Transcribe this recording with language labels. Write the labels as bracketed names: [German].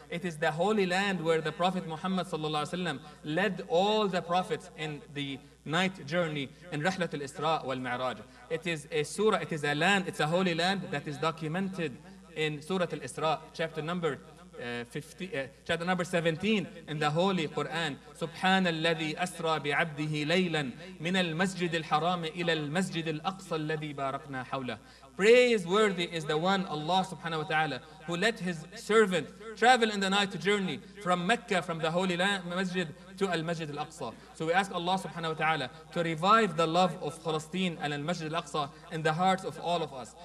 [English] It is the holy land where the Prophet Muhammad sallallahu alayhi wasallam led all the prophets in the night journey in Rahlat al-Isra wal-Mi'raj. It is a surah, it is a land, it's a holy land that is documented in Surah al-Isra, chapter number 50, chapter number 17 in the Holy Quran. [Arabic] سبحان الذي أسرى بعبده ليلا من المسجد الحرام إلى المسجد الأقصى الذي باركنا حوله. [English] Praiseworthy is the one, Allah subhanahu wa ta'ala, who let his servant travel in the night journey from Mecca, from the holy masjid, to Al-Masjid Al-Aqsa. So we ask Allah subhanahu wa ta'ala to revive the love of Palestine and Al-Masjid Al-Aqsa in the hearts of all of us.